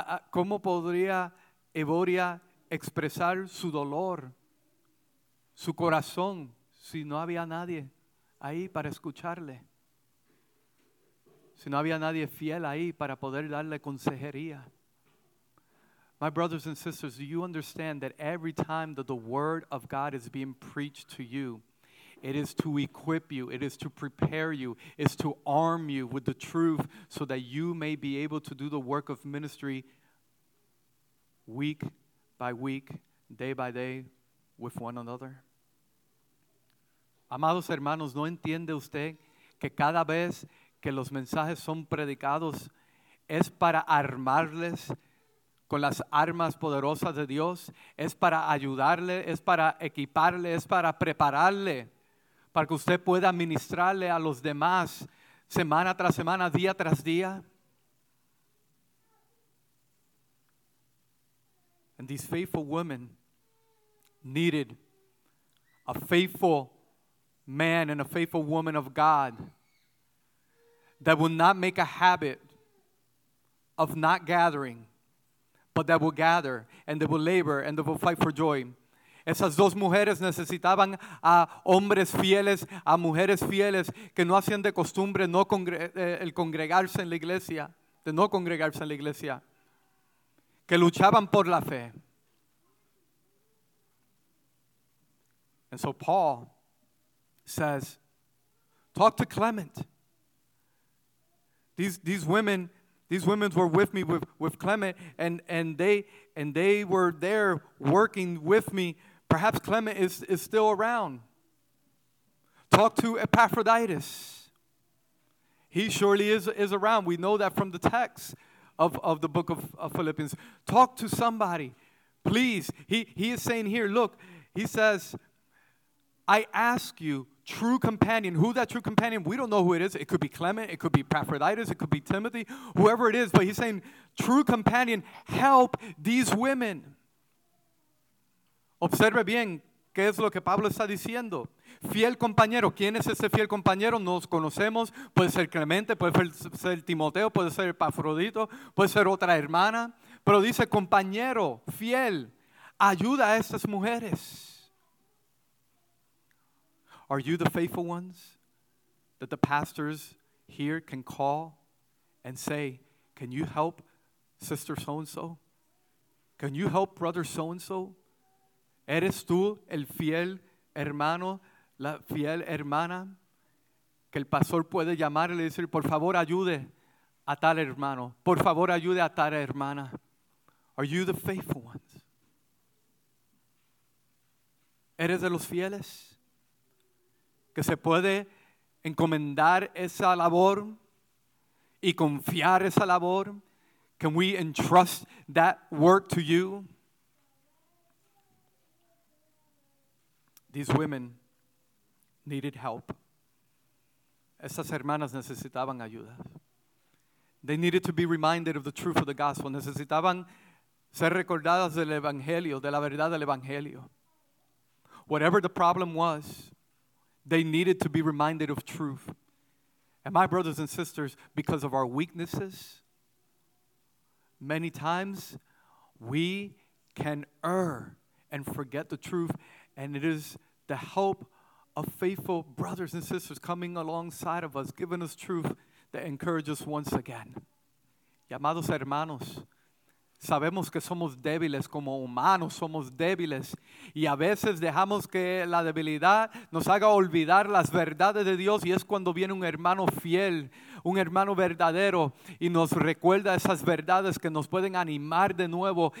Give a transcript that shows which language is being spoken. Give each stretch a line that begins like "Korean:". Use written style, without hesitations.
Spanish: ¿Cómo podría Evodia expresar su dolor, su corazón, si no había nadie ahí para escucharle? Si no había nadie fiel ahí para poder darle consejería.
English: My brothers and sisters, do you understand that every time that the word of God is being preached to you, it is to equip you, it is to prepare you, it is to arm you with the truth so that you may be able to do the work of ministry week by week, day by day, with one another?
Spanish: Amados hermanos, ¿no entiende usted que cada vez que los mensajes son predicados es para armarles con las armas poderosas de Dios? Es para ayudarle, es para equiparle, es para prepararle, para que usted pueda ministrarle a los demás semana tras semana, día tras día.
English: And these faithful women needed a faithful man and a faithful woman of God that will not make a habit of not gathering, but that will gather and that will labor and that will fight for joy.
Spanish: Esas dos mujeres necesitaban a hombres fieles, a mujeres fieles que no hacían de costumbre no congregarse en la iglesia, que luchaban por la fe.
English: And so Paul says, talk to Clement. These women were with me with Clement, and they were there working with me. Perhaps Clement is still around. Talk to Epaphroditus. He surely is around. We know that from the text of the book of Philippians. Talk to somebody, please. He is saying here, look, he says, I ask you, true companion. Who that true companion? We don't know who it is. It could be Clement. It could be Epaphroditus. It could be Timothy. Whoever it is. But he's saying, true companion, help these women.
Spanish: Observe bien qué es lo que Pablo está diciendo. Fiel compañero. ¿Quién es ese fiel compañero? Nos conocemos. Puede ser Clemente. Puede ser Timoteo. Puede ser Epafrodito. Puede ser otra hermana. Pero dice, compañero, fiel, ayuda a estas mujeres.
English: Are you the faithful ones that the pastors here can call and say, can you help sister so-and-so? Can you help brother so-and-so?
Spanish: ¿Eres tú el fiel hermano, la fiel hermana que el pastor puede llamar y decir, por favor, ayude a tal hermano? Por favor, ayude a tal hermana.
English: Are you the faithful ones?
Spanish: eres de los fieles, que se puede encomendar esa labor y confiar esa labor.
English: Can we entrust that work to you? These women needed help.
Spanish: Esas hermanas necesitaban ayuda.
English: They needed to be reminded of the truth of the gospel.
Spanish: Necesitaban ser recordadas del evangelio, de la verdad del evangelio.
English: Whatever the problem was, they needed to be reminded of truth. And my brothers and sisters, because of our weaknesses, many times we can err and forget the truth. And it is the help of faithful brothers and sisters coming alongside of us, giving us truth, that encourages once again.
Spanish: Y amados hermanos, sabemos que somos débiles como humanos, somos débiles. Y a veces dejamos que la debilidad nos haga olvidar las verdades de Dios. Y es cuando viene un hermano fiel, un hermano verdadero, y nos recuerda esas verdades que nos pueden animar de nuevo.